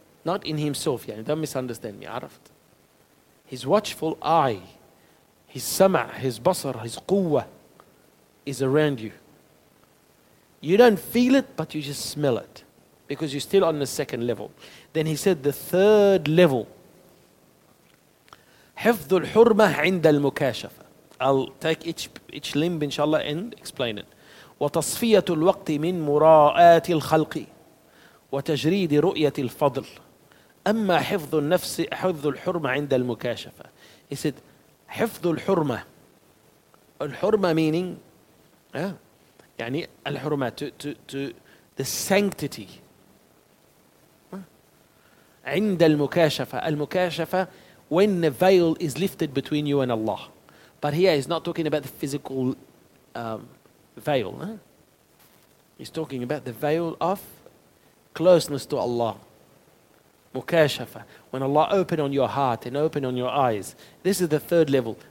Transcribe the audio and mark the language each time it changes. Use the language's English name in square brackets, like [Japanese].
[English] Not in himself, yani, don't misunderstand me, araft? His watchful eye, his sama', his basar, his quwwah, is around you. You don't feel it, but you just smell it. Because you're still on the second level. Then he said the third level. [Arabic] حفظ الحرمة عند المكاشفة. [English] I'll take each limb, inshallah, and explain it. [Arabic] وتصفية الوقت من مراءة الخلق وتجريد رؤية الفضل. أما حفظ النفس حفظ الحرمة عند المكاشفة. [English] He said, [Arabic] حفظ الحرمة. الحرمة meaning يعني الحرمة [English] to the sanctity [Arabic] عند المكاشفة. [English] المكاشفة when the veil is lifted between you and Allah. But here he's not talking about the physical veil. He's talking about the veil of closeness to Allah. [Arabic] مكاشفة. [English] When Allah opened on your heart and opened on your eyes. This is the third level.